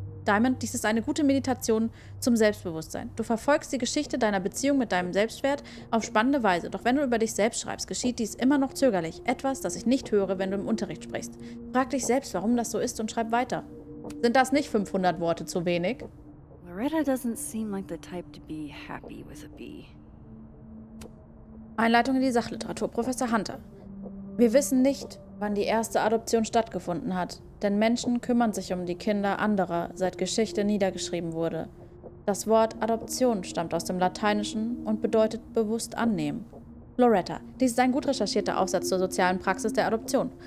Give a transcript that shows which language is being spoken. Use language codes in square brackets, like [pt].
[de] Diamond, dies ist eine gute Meditation zum Selbstbewusstsein. Du verfolgst die Geschichte deiner Beziehung mit deinem Selbstwert auf spannende Weise. Doch wenn du über dich selbst schreibst, geschieht dies immer noch zögerlich. Etwas, das ich nicht höre, wenn du im Unterricht sprichst. Frag dich selbst, warum das so ist und schreib weiter. Sind das nicht 500 Worte zu wenig? [en] Loretta doesn't seem like the type to be happy with a B. [de] Einleitung in die Sachliteratur, Professor Hunter. Wir wissen nicht, wann die erste Adoption stattgefunden hat, denn Menschen kümmern sich um die Kinder anderer, seit Geschichte niedergeschrieben wurde. Das Wort Adoption stammt aus dem Lateinischen und bedeutet bewusst annehmen. Loretta, dies ist ein gut recherchierter Aufsatz zur sozialen Praxis der Adoption.